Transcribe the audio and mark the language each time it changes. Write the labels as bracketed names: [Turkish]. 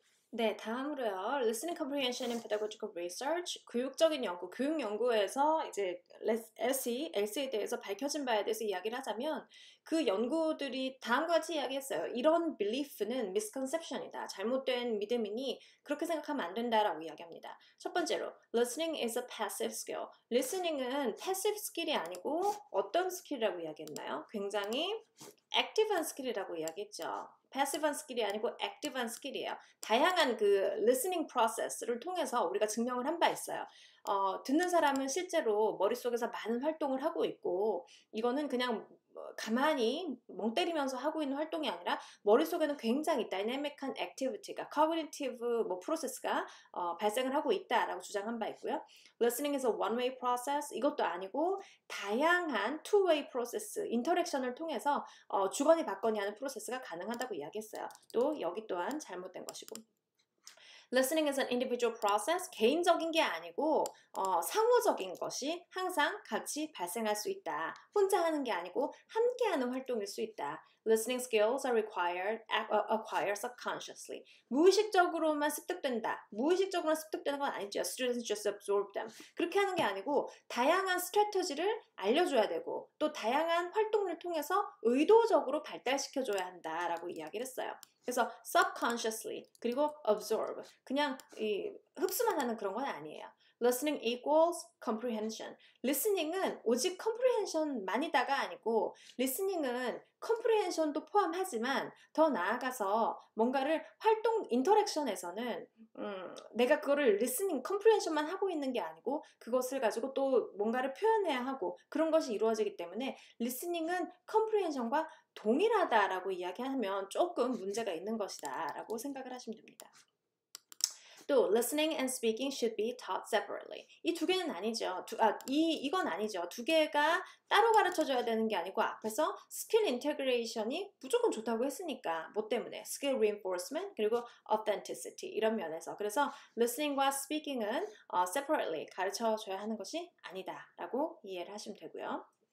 [Korean] 네, 다음으로요. [English] Listening comprehension in pedagogical research, [Korean] 교육적인 연구, 교육 연구에서 이제 LSE에 대해서 밝혀진 바에 대해서 이야기를 하자면 그 연구들이 다음과 같이 이야기했어요. 이런 belief는 misconception이다. 잘못된 믿음이니 그렇게 생각하면 안 된다라고 이야기합니다. [English] 첫 번째로, listening is a passive skill. [Korean] Listening은 passive skill이 아니고 어떤 skill이라고 이야기했나요? 굉장히 active한 skill이라고 이야기했죠. 패시브한 스킬이 아니고 액티브한 스킬이에요. 다양한 그 리스닝 프로세스를 통해서 우리가 증명을 한바 있어요. 듣는 사람은 실제로 머릿속에서 많은 활동을 하고 있고 이거는 그냥 가만히 멍때리면서 하고 있는 활동이 아니라 머릿속에는 굉장히 다이내믹한 액티비티가 코그니티브 뭐 프로세스가 발생을 하고 있다라고 주장한 바 있고요. [English] Listening is a one-way process [Korean] 이것도 아니고 다양한 two-way process 인터랙션을 통해서 주거니 받거니 하는 프로세스가 가능하다고 이야기했어요. 또 여기 또한 잘못된 것이고. [English] Listening is an individual process. [Korean] 개인적인 게 아니고 상호적인 것이 항상 같이 발생할 수 있다. 혼자 하는 게 아니고 함께하는 활동일 수 있다. [English] Listening skills are acquired subconsciously. [Korean] 무의식적으로만 습득된다. 무의식적으로 습득되는 건 아니죠. [English] Students just absorb them. [Korean] 그렇게 하는 게 아니고 다양한 스트래터지를 알려줘야 되고 또 다양한 활동을 통해서 의도적으로 발달시켜줘야 한다라고 이야기를 했어요. 그래서 subconsciously 그리고 absorb 그냥 이 흡수만 하는 그런 건 아니에요. [English] Listening equals comprehension. [Korean] Listening은 오직 comprehension만이다가 아니고 listening은 comprehension도 포함하지만 더 나아가서 뭔가를 활동 인터랙션에서는 내가 그거를 listening, comprehension만 하고 있는 게 아니고 그것을 가지고 또 뭔가를 표현해야 하고 그런 것이 이루어지기 때문에 listening은 comprehension과 동일하다라고 이야기하면 조금 문제가 있는 것이다 라고 생각을 하시면 됩니다. [English] 또 listening and speaking should be taught separately. [Korean] 이 두 개는 아니죠. 이건 아니죠. 두 개가 따로 가르쳐줘야 되는 게 아니고 앞에서 skill integration이 무조건 좋다고 했으니까 뭐 때문에 skill reinforcement 그리고 authenticity 이런 면에서 그래서 listening과 speaking은 separately 가르쳐줘야 하는 것이 아니다라고 이해를 하시면 되고요.